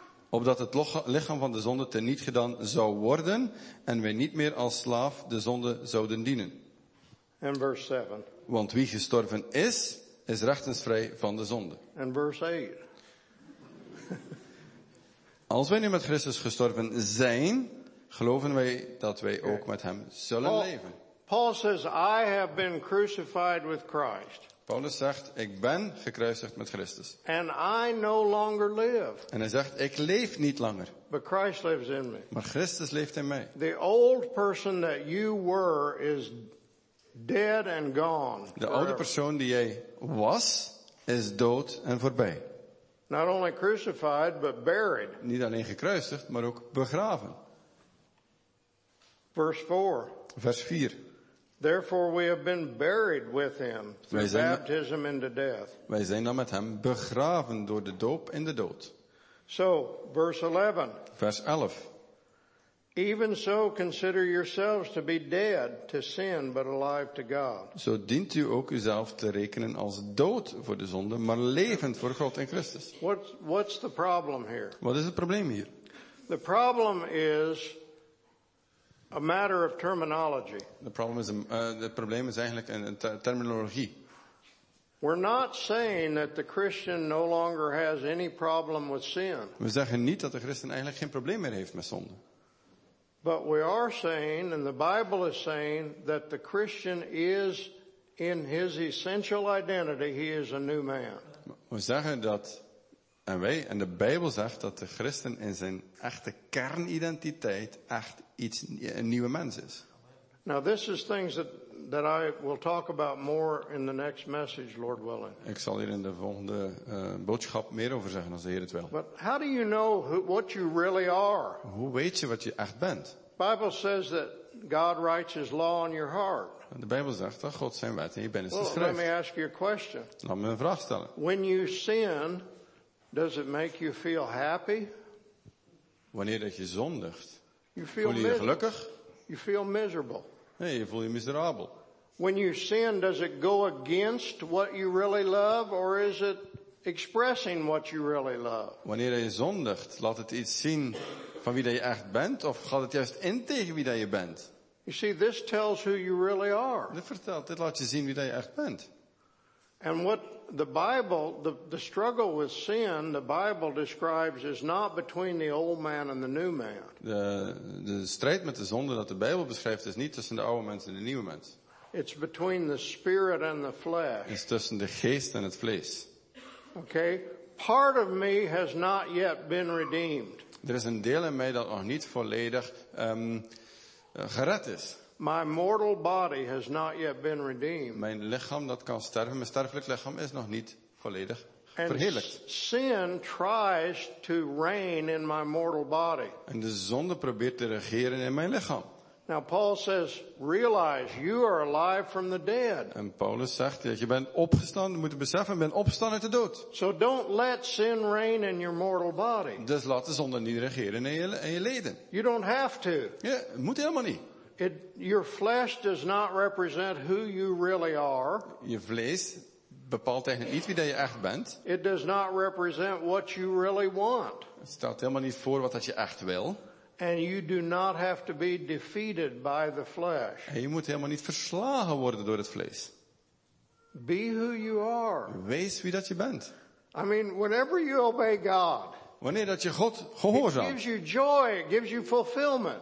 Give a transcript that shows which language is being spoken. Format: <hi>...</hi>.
<nl>Opdat het lichaam van de zonde teniet gedaan zou worden en wij niet meer als slaaf de zonde zouden dienen. En verse 7. Want wie gestorven is, is rechtens vrij van de zonde. En verse 8. Als wij nu met Christus gestorven zijn, geloven wij dat wij ook met hem zullen leven.</nl> <en>Paul says, I have been crucified with Christ.</en> <nl>Paulus zegt, ik ben gekruisigd met Christus.</nl> <en>And I no longer live.</en> <nl>En hij zegt, ik leef niet langer.</nl> <en>But Christ lives in me.</en> <nl>Maar Christus leeft in mij.</nl> <en>The old person that you were is dead and gone.</en> <nl>De oude persoon die jij was, is dood en voorbij.</nl> <en>Not only crucified, but buried.</en> <nl>Niet alleen gekruisigd, maar ook begraven.</nl> <en>Verse 4.</en> <nl>Vers 4.</nl> <en>Therefore we have been buried with him through baptism into death.</en> <nl>Wij zijn dan met hem begraven door de doop in de dood.</nl> <en>So, verse 11.</en> <nl>Vers 11.</nl> <en>Even so consider yourselves to be dead to sin, but alive to God.</en> <nl>Zo dient u ook uzelf te rekenen als dood voor de zonde, maar levend voor God in Christus.</nl> <en>What's the problem here?</en> <nl>Wat is het probleem hier?</nl> <en>The problem is a matter of terminology. The problem is</en> <nl>eigenlijk een terminologie.</nl> <en>We're not saying that the Christian no longer has any problem with sin.</en> <nl>We zeggen niet dat de Christen eigenlijk geen probleem meer heeft met zonde.</nl> <en>But we are saying, and the Bible is saying, that the Christian is in his essential identity, he is a new man.</en> <nl>We zeggen dat, en wij, en de Bijbel zegt dat de Christen in zijn echte kernidentiteit echt iets, een nieuwe mens is.</nl> <en>Now this is things that I will talk about more in the next message, Lord willing.</en> <nl>Ik zal hier in de volgende boodschap meer over zeggen als de Heer het wil.</nl> <en>But how do you know what you really are?</en> <nl>Hoe weet je wat je echt bent?</nl> <en>Bible says that God writes his law on your heart.</en> <nl>De Bijbel zegt dat God zijn wet in je binnenste schrijft.</nl> <en>Well, let me ask you a question.</en> <nl>Laat me een vraag stellen.</nl> <en>When you sin, does it make you feel happy?</en> <nl>Wanneer dat je zondigt, voel je je gelukkig?</nl> <en>You feel miserable.</en> <nl>Nee, je voelt je miserabel.</nl> <en>When you sin, does it go against what you really love, or is it expressing what you really love?</en> <nl>Wanneer je zondigt, laat het iets zien van wie dat je echt bent, of gaat het juist in tegen wie dat je bent?</nl> <en>You see, this tells who you really are.</en> <nl>Dit laat je zien wie dat je echt bent.</nl> <en>And what the Bible, the struggle with sin, the Bible describes is not between the old man and the new man.</en> <nl>De strijd met de zonde dat de Bijbel beschrijft is niet tussen de oude mens en de nieuwe mens.</nl> <en>It's between the spirit and the flesh.</en> <nl>Is tussen de geest en het vlees.</nl> <en>Okay, part of me has not yet been redeemed.</en> <nl>Er is een deel in mij dat nog niet volledig gered is.</nl> <en>My mortal body has not yet been redeemed.</en> <nl>Mijn lichaam dat kan sterven. Mijn sterfelijk lichaam is nog niet volledig verheerlijkt.</nl> <en>Sin tries to reign in my mortal body.</en> <nl>En de zonde probeert te regeren in mijn lichaam.</nl> <en>Now Paul says, realize you are alive from the dead.</en> <nl>En Paulus zegt dat je bent opgestaan. Je moet beseffen, je bent opgestaan uit de dood.</nl> <en>So don't let sin reign in your mortal body.</en> <nl>Dus laat de zonde niet regeren in je leden.</nl> <en>You don't have to.</en> <nl>Ja, moet helemaal niet.</nl> <en>Your flesh does not represent who you really are.</en> <nl>Je vlees bepaalt eigenlijk niet wie je echt bent.</nl> <en>It does not represent what you really want.</en> <nl>Het stelt helemaal niet voor wat je echt wil.</nl> <en>And you do not have to be defeated by the flesh.</en> <nl>En je moet helemaal niet verslagen worden door het vlees.</nl> <en>Be who you are.</en> <nl>Wees wie dat je bent.</nl> <en>I mean, whenever you obey God.</en> <nl>Wanneer dat je God gehoorzaamt.</nl> <en>It gives you joy, it gives you fulfillment.</en>